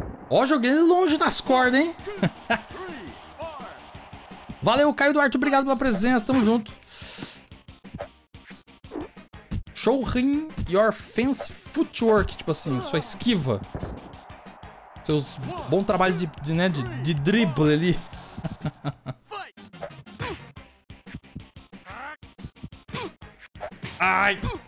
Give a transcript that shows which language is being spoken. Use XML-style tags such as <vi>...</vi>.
<pt>Ó, joguei ele longe das cordas, hein? Valeu, Caio Duarte. Obrigado pela presença. Tamo junto.</pt> <en>Show him your fancy footwork.</en> <pt>Tipo assim, sua esquiva. Seus bom trabalho de, né, de drible ali. Ai!</pt>